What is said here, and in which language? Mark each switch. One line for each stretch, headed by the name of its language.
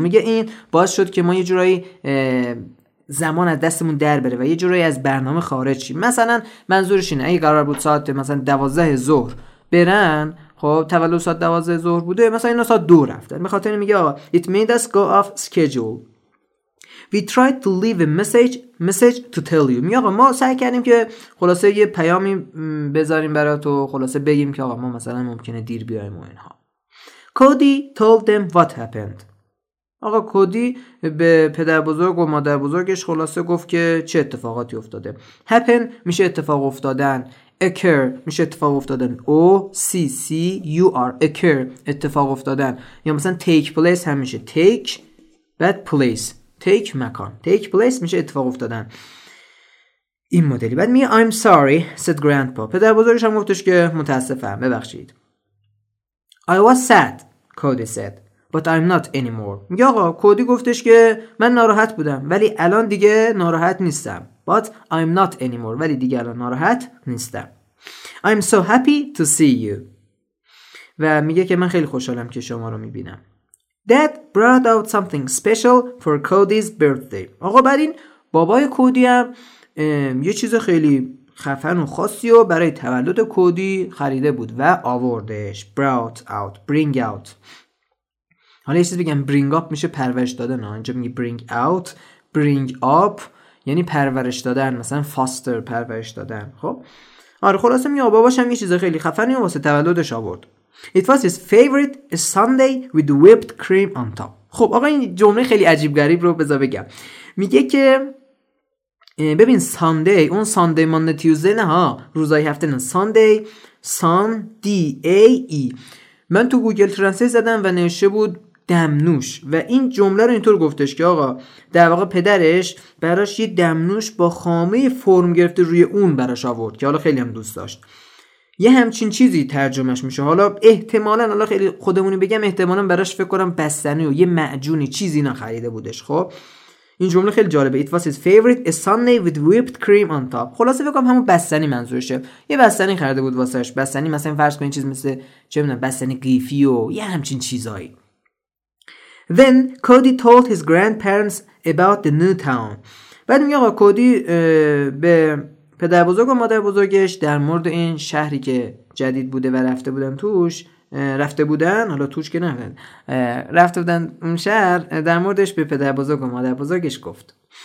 Persian: میگه این باعث شد که ما یه جورایی زمان از دستمون در بره و یه جورایی از برنامه خارج شیم. مثلا منظورش اینه اگه قرار بود ساعت مثلا 12 ظهر برن، خب تولد ساعت 12 ظهر بوده، مثلا اینا ساعت 2 رفتن. به خاطر میگه آقا
English: it made us go off schedule. We tried to leave a message to tell you.
Persian: میگه آقا ما سعی کردیم که خلاصه یه پیامی بذاریم برات و خلاصه بگیم که آقا ما مثلا ممکنه دیر بیایم و اینها.
English: Cody told them what happened.
Persian: آقا کودی به پدر بزرگ و مادر بزرگش خلاصه گفت که چه اتفاقاتی افتاده. Happen میشه اتفاق افتادن. Occur میشه اتفاق افتادن. O-C-C-U-R. Occur اتفاق افتادن. یا مثلا
English: take place
Persian: هم میشه.
English: Take bad place. Take مکان.
Persian: Take place میشه اتفاق افتادن. این مدلی. بعد میگه
English: I'm sorry said grandpa.
Persian: پدر بزرگش هم گفتش که متاسفم. ببخشید.
English: I was sad, Cody said, but I'm not anymore.
Persian: میگه آقا کودی گفتش که من ناراحت بودم ولی الان دیگه ناراحت نیستم.
English: But I'm not anymore.
Persian: ولی دیگه الان ناراحت نیستم.
English: I'm so happy to see you.
Persian: و میگه که من خیلی خوشحالم که شما رو میبینم.
English: That brought out something special for Cody's birthday.
Persian: آقا بعد این بابای کودی هم یه چیز خیلی خفن و خاصی رو برای تولد کودی خریده بود و آوردش.
English: brought out، bring out.
Persian: حالا یه چیز بگم، bring up میشه پرورش دادن، اینجا میگه bring out. bring up یعنی پرورش دادن، مثلا foster پرورش دادن. خب آره خلاصه میگه باباش هم یه چیز خیلی خفنی واسه تولدش آورد.
English: it was his favorite sundae with whipped cream on top.
Persian: خب آقا این جمله خیلی عجیب غریب رو بذار بگم. میگه که ببین ساندی، اون ساندی مانده تیوزده نه ها، روزای هفته نه، ساندی سان دی ای ای. من تو گوگل ترنسلیت زدم و نوشته بود دمنوش، و این جمله رو اینطور گفتش که آقا در واقع پدرش براش یه دمنوش با خامه فرم گرفته روی اون براش آورد که حالا خیلی هم دوست داشت. یه همچین چیزی ترجمهش میشه. حالا احتمالاً حالا خیلی خودمونی بگم، احتمالاً براش فکر کنم بستنی و یه معجونی چیزی اینا خریده بودش. خب این جمله خیلی جالبه.
English: It was his favorite a sundae with whipped cream on top.
Persian: خلاصه بگم همون بستنی منظورشه. یه بستنی خریده بود واسهش. بستنی مثلا فرض کنید چیز مثل چه میدونم بستنی قیفی و یه همچین چیزایی.
English: Then Cody told his grandparents about the new town.
Persian: بعد میگه آقا کودی به پدر بزرگ و مادر بزرگش در مورد این شهری که جدید بوده و رفته بودن توش، رفته بودن حالا توش که نه، رفته بودن اون شهر، در موردش به پدر بزرگ و مادر بزرگش گفت.